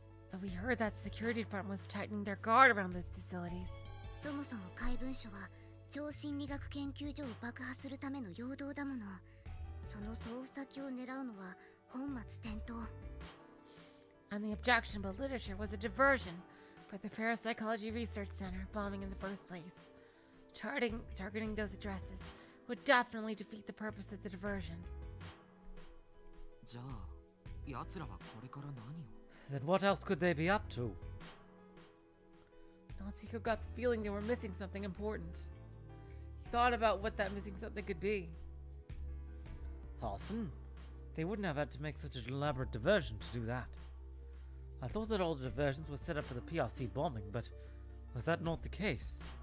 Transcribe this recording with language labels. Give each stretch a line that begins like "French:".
English: But we heard that security front was tightening their guard around those facilities.
Japanese: そもそも怪文書は超心理学研究所を爆破するための陽動だもの。その送付先を狙うのは本末転倒。
English: And the objectionable literature was a diversion for the Parapsychology Research Center bombing in the first place. Targeting those addresses would definitely defeat the purpose of the diversion.
Japanese: じゃあ、やつらはこれから何を?
English: Then what else could they be up to? Natsuhiko got the feeling they were missing something important. He thought about what that missing something could be. Awesome. They wouldn't have had to make such an elaborate diversion to do that. I thought that all the diversions were set up for the PRC bombing, but was that not the case?